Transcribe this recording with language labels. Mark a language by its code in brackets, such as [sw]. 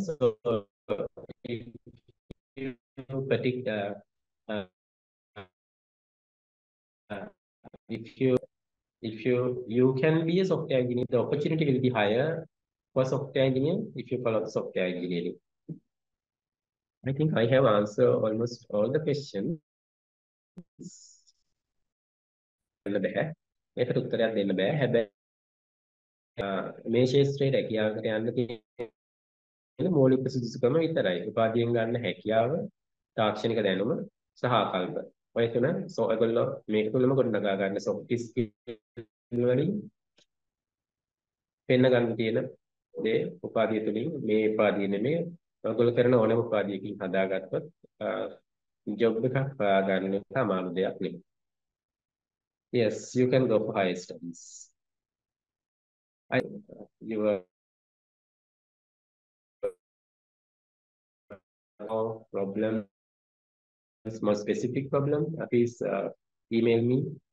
[en] So if you particular if you can be a software engineer, the opportunity will be higher for software engineering if you follow software engineering. I think I have answered almost all the questions. [si] දෙන්න බෑ. මේකට උත්තරයක් දෙන්න බෑ. හැබැයි මේ ශාස්ත්‍රයේ රැකියාවකට යන්න තියෙන මූලික සුදුසුකම විතරයි. උපාධියෙන් ගන්න හැකියාව, තාක්ෂණික දැනුම සහ ආකල්ප. ඔය තුන ඔයගොල්ලෝ මේක තුළම ගොඩනගා ගන්න soft skill වලින් පෙන්න ගන්න තියෙන දේ උපාධිය තුළින් මේ උපාධිය නෙමේ ඔයගොල්ලෝ කරන ඕනෑම උපාධියකින් හදාගත්තොත් job එකක් හොයාගන්න සමාන දෙයක් නෙමෙයි. [en] Yes, you can go for higher studies. You have a problem, it's more specific problem, please email me.